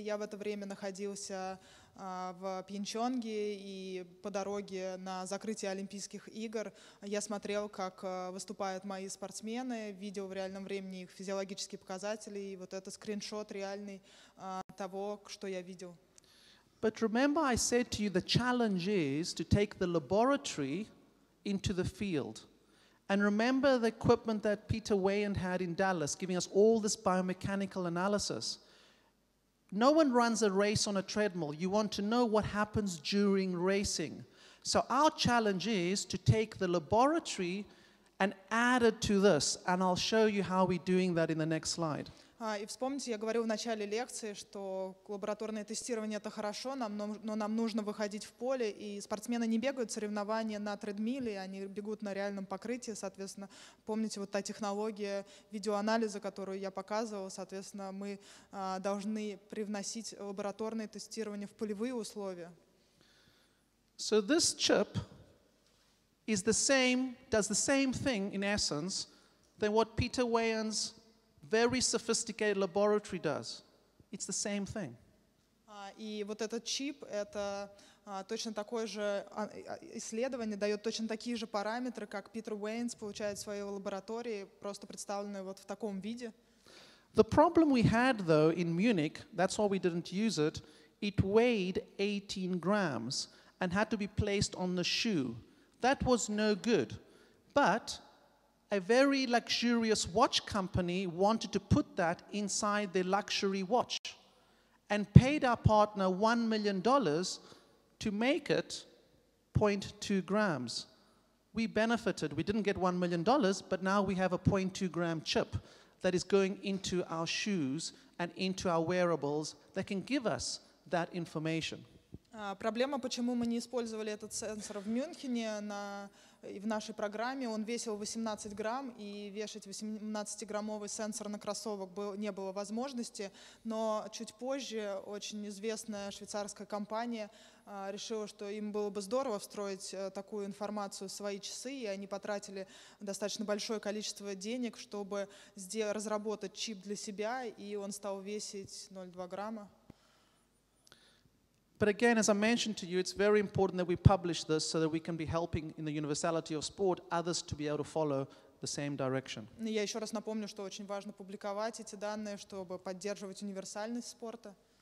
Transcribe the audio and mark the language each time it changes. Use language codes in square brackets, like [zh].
[ru] Я в это время находился в Пьенчонге, и по дороге на закрытие Олимпийских игр я смотрел, как выступают мои спортсмены, видел в реальном времени их физиологические показатели, и вот это скриншот реальный того, что я видел. [en] But remember I said to you the challenge is to take the laboratory into the field. And remember the equipment that Peter Wayand had in Dallas, giving us all this biomechanical analysis. No one runs a race on a treadmill. You want to know what happens during racing. So our challenge is to take the laboratory and add it to this. And I'll show you how we're doing that in the next slide. [ru] И вспомните, я говорил в начале лекции, что лабораторное тестирование – это хорошо, но нам нужно выходить в поле, и спортсмены не бегают соревнования на тредмиле, они бегут на реальном покрытии, соответственно, помните, вот та технология видеоанализа, которую я показывал, соответственно, мы должны привносить лабораторное тестирование в полевые условия. [en] So this chip is the same, does the same thing, in essence, than what Peter Wayans very sophisticated laboratory does. It's the same thing. [ru] И вот этот чип, это точно такое же исследование, дает точно такие же параметры, как Питер Уэйнс получает в своей лаборатории, просто представленные вот в таком виде. [en] The problem we had, though, in Munich, that's why we didn't use it, it weighed 18 grams and had to be placed on the shoe. That was no good. But a very luxurious watch company wanted to put that inside their luxury watch and paid our partner $1 million to make it 0.2 grams. We benefited. We didn't get $1 million, but now we have a 0.2 gram chip that is going into our shoes and into our wearables that can give us that information. [ru] Проблема, почему мы не использовали этот сенсор в Мюнхене и в нашей программе, он весил 18 грамм, и вешать 18-граммовый сенсор на кроссовок не было возможности, но чуть позже очень известная швейцарская компания решила, что им было бы здорово встроить такую информацию в свои часы, и они потратили достаточно большое количество денег, чтобы разработать чип для себя, и он стал весить 0,2 грамма. [en] But again, as I mentioned to you, it's very important that we publish this so that we can be helping in the universality of sport others to be able to follow the same direction. [ru] Я еще раз напомню, что очень важно публиковать эти данные, чтобы поддерживать универсальность спорта.